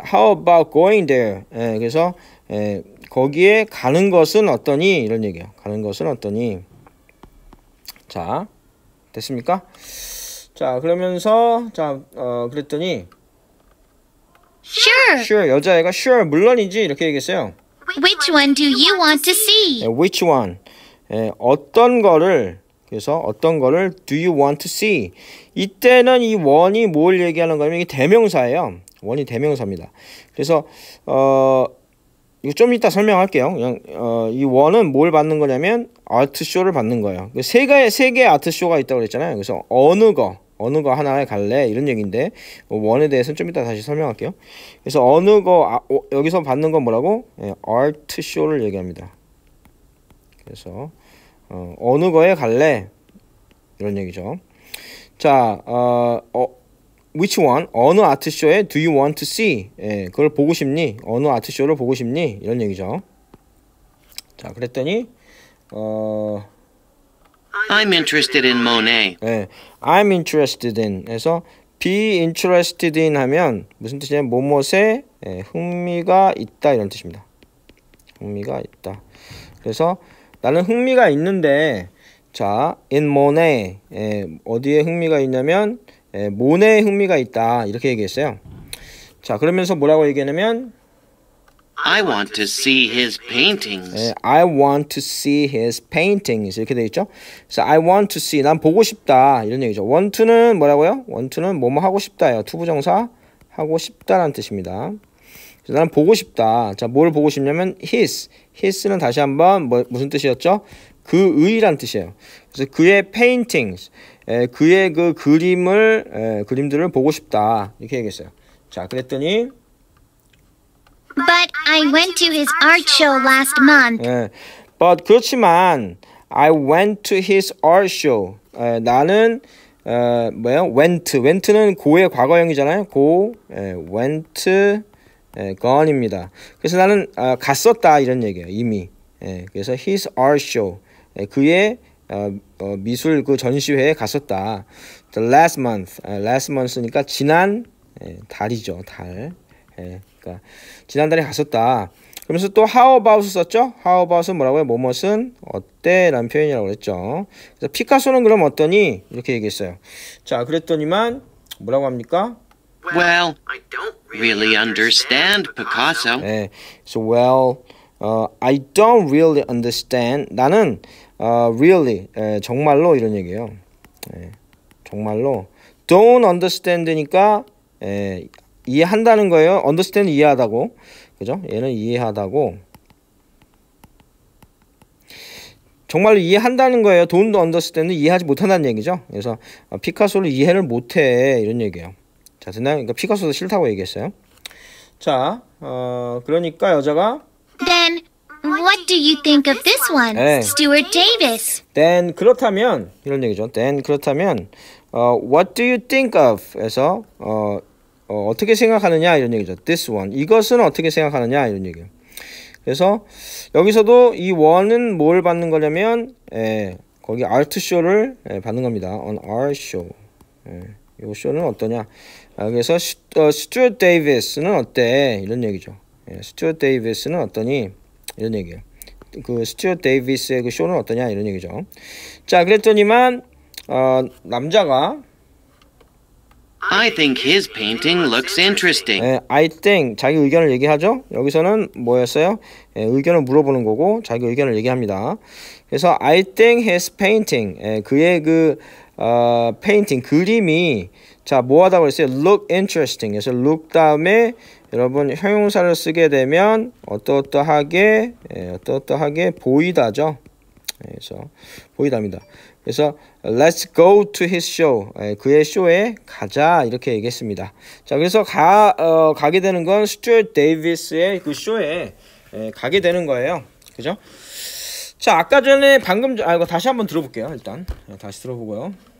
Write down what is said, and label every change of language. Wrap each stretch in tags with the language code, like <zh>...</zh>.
<en>How about going there?</en> <ko>예, 그래서 예, 거기에 가는 것은 어떠니? 이런 얘기예요. 가는 것은 어떠니? 자, 됐습니까? 자, 그러면서 자, 그랬더니</ko> <en>Sure. Sure.</en> <ko>여자애가</ko> <en>Sure.</en> <ko>물론이지 이렇게 얘기했어요.</ko> <en>Which one do you want to see? 예, which one?</en> <ko>예, 어떤 거를 그래서 어떤 거를</ko> <en>Do you want to see?</en> <ko>이때는 이 one이 뭘 얘기하는 거냐면 이게 대명사예요. 원이 대명사입니다. 그래서 이거 좀 이따 설명할게요. 그냥 이 원은 뭘 받는 거냐면 아트쇼를 받는 거예요. 세 개의 아트쇼가 있다고 그랬잖아요. 그래서 어느 거 하나에 갈래 이런 얘기인데 원에 대해서는 좀 이따 다시 설명할게요. 그래서 어느 거 여기서 받는 건 뭐라고? 예, 아트쇼를 얘기합니다. 그래서 어느 거에 갈래 이런 얘기죠.</ko> <en>자, Which one?</en> <ko>어느 아트쇼에</ko> <en>do you want to see?</en> <ko>예, 그걸 보고 싶니? 어느 아트쇼를 보고 싶니? 이런 얘기죠. 자, 그랬더니</ko> <en>I'm interested in Monet. 예, I'm interested in.</en> <ko>그래서</ko> <en>be interested in</en> <ko>하면 무슨 뜻이냐면 뭐뭇에 예, 흥미가 있다 이런 뜻입니다. 흥미가 있다. 그래서 나는 흥미가 있는데 자,</ko> <en>in Monet.</en> <ko>예, 어디에 흥미가 있냐면 예, 모네에 흥미가 있다 이렇게 얘기했어요. 자, 그러면서 뭐라고 얘기하냐면</ko> <en>I want to see his paintings. 예, I want to see his paintings</en> <ko>이렇게 돼 있죠. 그래서</ko> <en>I want to see</en> <ko>난 보고 싶다 이런 얘기죠. want 는 뭐라고요? want 는 뭐뭐 하고 싶다예요. 투부정사 하고 싶다라는 뜻입니다. 그래서 난 보고 싶다. 자, 뭘 보고 싶냐면 his는 다시 한번 뭐, 무슨 뜻이었죠? 그의란 뜻이에요. 그래서 그의 paintings 예, 그의 그 그림을 예, 그림들을 보고 싶다 이렇게 얘기했어요. 자, 그랬더니</ko> <en>But I went to his art show last month. 예, but</en> <ko>그렇지만</ko> <en>I went to his art show.</en> <ko>예, 나는 뭐야 went.</ko> <en>went</en> <ko>는 고의 과거형이잖아요. 고 예, went 예, gone입니다. 그래서 나는 갔었다 이런 얘기예요. 이미.</ko> <en>예, 그래서 his art show.</en> <ko>예, 그의 미술 그 전시회에 갔었다.</ko> <en>The last month.</en> <ko>Last month니까 지난 달이죠. 달. 예, 그러니까 지난달에 갔었다. 그러면서 또</ko> <en>how about</en> <ko>썼죠? how about은 뭐라고요? 뭐뭐은 어때? 라는 표현이라고 그랬죠. 그래서 피카소는 그럼 어떠니? 이렇게 얘기했어요. 자, 그랬더니만 뭐라고 합니까?</ko> <en>Well, I don't really understand Picasso. 네, so well, I don't really understand.</en> <ko>나는 really, 네, 정말로 이런 얘기예요. 네, 정말로. Don't understand니까 네, 이해한다는 거예요. Understand 이해하다고. 그죠? 얘는 이해하다고. 정말로 이해한다는 거예요.</ko> <en>Don't understand</en> <ko>는 이해하지 못한다는 얘기죠. 그래서 피카소를 이해를 못해 이런 얘기예요. 자, 듣나요? 그러니까 피카소도 싫다고 얘기했어요. 자, 그러니까 여자가</ko> <en>Then what do you think of this one, 네. Stuart Davis?</en> <ko>Then 그렇다면 이런 얘기죠. Then 그렇다면</ko> <en>what do you think of에서</en> <ko>어떻게 생각하느냐 이런 얘기죠.</ko> <en>This one</en> <ko>이것은 어떻게 생각하느냐 이런 얘기예요. 그래서 여기서도 이 one은 뭘 받는 거냐면 예, 거기 아트쇼를 예, 받는 겁니다.</ko> <en>An art show.</en> <ko>예, 이 쇼는 어떠냐. 그래서 Stuart Davis는 어때 이런 얘기죠. 예, Stuart Davis는 어떠니 이런 얘기예요. 그 Stuart Davis의 그 쇼는 어떠냐 이런 얘기죠. 자, 그랬더니만 남자가</ko> <en>I think his painting looks interesting.</en> <ko>네, I think 자기 의견을 얘기하죠. 여기서는 뭐였어요? 네, 의견을 물어보는 거고 자기 의견을 얘기합니다. 그래서</ko> <en>I think his painting</en> <ko>네, 그의 그 painting 그림이 자 뭐하다고 그랬어요?</ko> <en>Look interesting.</en> <ko>그래서 look 다음에 여러분 형용사를 쓰게 되면 어떠어떠하게 네, 어떠어떠하게 보이다죠. 그래서 보이답니다.</ko> <en>그래서 let's go to his show.</en> <ko>예, 그의 쇼에 가자 이렇게 얘기했습니다. 자, 그래서 가게 되는 건 Stuart Davis의 그 쇼에 예, 가게 되는 거예요. 그죠? 자, 아까 전에 방금 이거 다시 한번 들어볼게요. 일단 다시 들어보고요.</ko>